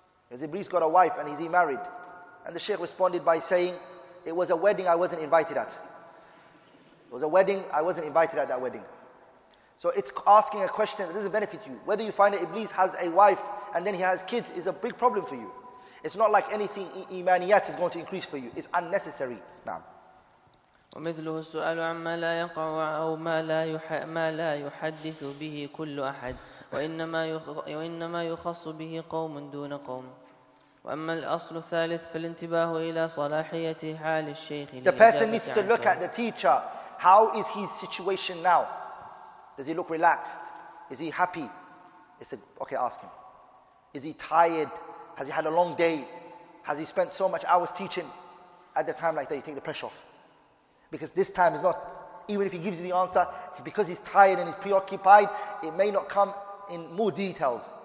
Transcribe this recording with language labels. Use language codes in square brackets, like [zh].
[en] Has Iblis got a wife and is he married? And the Shaykh responded by saying, it was a wedding I wasn't invited at. It was a wedding I wasn't invited at that wedding. So it's asking a question that doesn't benefit you. Whether you find that Iblis has a wife and then he has kids is a big problem for you. It's not like anything Imaniyat is going to increase for you. It's unnecessary. Now. [ar] ومثله السؤال عما لا يقع أو ما لا يحدث به كل أحد، وإنما يخص به قوم دون قوم. وأما الأصل الثالث فالانتباه إلى صلاحية حال الشيخ. [en] The person needs to look at the teacher. How is his situation now? Does he look relaxed? Is he happy? Okay, ask him. Is he tired? Has he had a long day? Has he spent so much hours teaching? At the time like that, you take the pressure off. Because this time is not, even if he gives you the answer, because he's tired and he's preoccupied, it may not come in more details.